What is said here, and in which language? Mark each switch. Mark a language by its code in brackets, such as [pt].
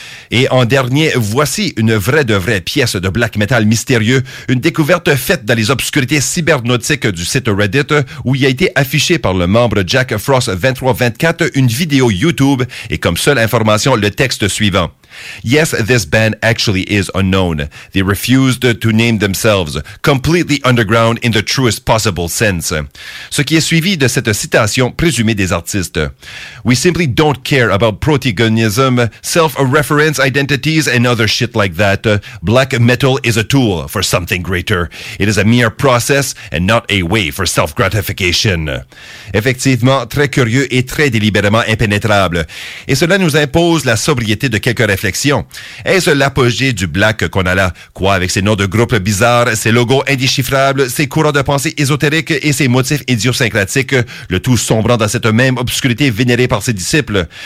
[fr] Et en dernier, voici une vraie de vraie pièce de black metal mystérieux, une découverte faite dans les obscurités cybernautiques du site Reddit, où il a été affiché par le membre Jack Frost 2324 une vidéo YouTube et comme seule information le texte suivant. [en] Yes, this band actually is unknown. They refused to name themselves. Completely underground in the truest possible sense. [fr] Ce qui est suivi de cette citation présumée des artistes. [en] We simply don't care about protagonism, self-reference identities and other shit like that. Black metal is a tool for something greater. It is a mere process and not a way for self-gratification. [fr] Effectivement, très curieux et très délibérément impénétrable. Et cela nous impose la sobriété de quelques réflexions. Est-ce l'apogée du black qu'on a là? Quoi avec ses noms de groupes bizarres, ses logos indéchiffrables, ses courants de pensée ésotériques et ses motifs idiosyncratiques, le tout sombrant dans cette même obscurité vénérée par ses disciples?